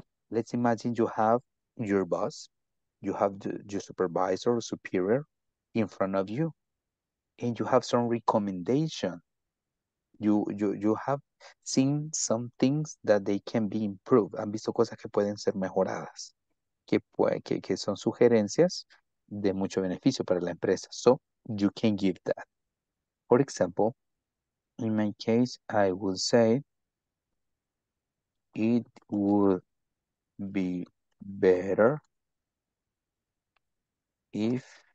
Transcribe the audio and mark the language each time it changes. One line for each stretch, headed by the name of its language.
English: Let's imagine you have your boss, you have your supervisor or superior in front of you. And you have some recommendation. You have seen some things that they can be improved.
Spanish: Han visto cosas que pueden ser mejoradas. Que son sugerencias de mucho beneficio para la empresa.
English: So, you can give that. For example, in my case, I would say, it would be better if...